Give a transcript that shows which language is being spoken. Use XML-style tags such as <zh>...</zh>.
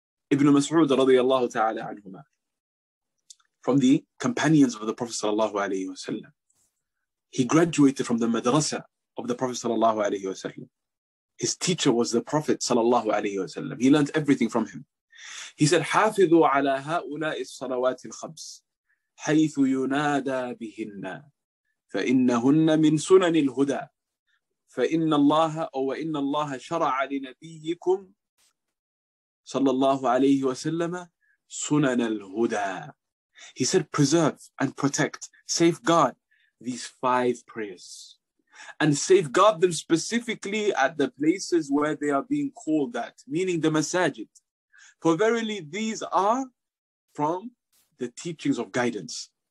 <en>Ibn Mas'ud radiyallahu ta'ala anhumah, from the companions of the Prophet sallallahu alayhi wa sallam, he graduated from the madrasa of the Prophet sallallahu alayhi wa sallam. His teacher was the Prophet sallallahu alayhi wa sallam. He learned everything from him. He said,</en> <ar>حافظوا على هؤلاء الصلوات الخمس حيث ينادى بهن فإنهن من سنن الهدى فإن الله أو إن الله شرع لنبيكم صلى الله عليه وسلم سنن الهدى.</ar> <en>He said, preserve and protect, safeguard these five prayers. And safeguard them specifically at the places where they are being called at, meaning the masajid. For verily, these are from the teachings of guidance.</en>